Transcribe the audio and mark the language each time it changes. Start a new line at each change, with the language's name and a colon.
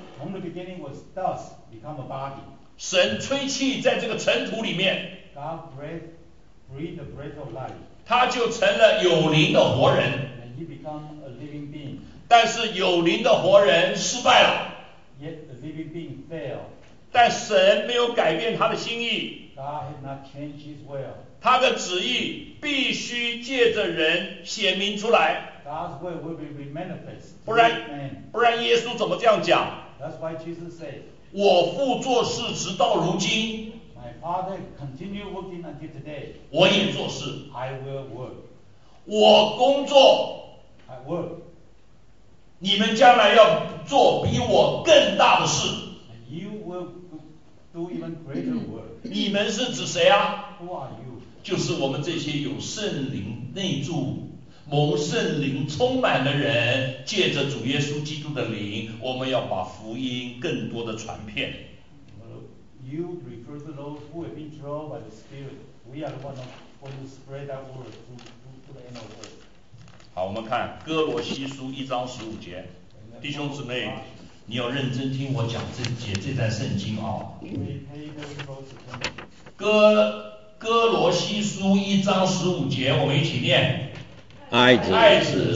English: From the beginning was dust become a body.
Chinese: 神吹气在这个尘土里面。
English: God breathed the breath of life.
Chinese: 他就成了有灵的活人。
English: And he become a living being.
Chinese: 但是有灵的活人失败了。
English: Yet the living being failed.
Chinese: 但神没有改变他的心意。
English: God has not changed his will.
Chinese: 他的旨意必须借着人显明出来。
English: God's will will be manifested.
Chinese: 不然耶稣怎么这样讲？
English: That's why Jesus said.
Chinese: 我父做事直到如今。
English: My father continue working until today.
Chinese: 我也做事。
English: I will work.
Chinese: 我工作。
English: I work.
Chinese: 你们将来要做比我更大的事。
English: You will do even greater work.
Chinese: 你们是指谁啊？
English: Who are you?
Chinese: 就是我们这些有圣灵内住、蒙圣灵充满的人，借着主耶稣基督的灵，我们要把福音更多的传遍。
English: You refer to those who have been drawn by the Spirit. We are the ones who will spread that word to the end of the world.
Chinese: 好，我们看哥罗西书一章十五节，弟兄姊妹，你要认真听我讲这节这段圣经啊、哦。哥罗西书一章十五节，我们一起念。爱子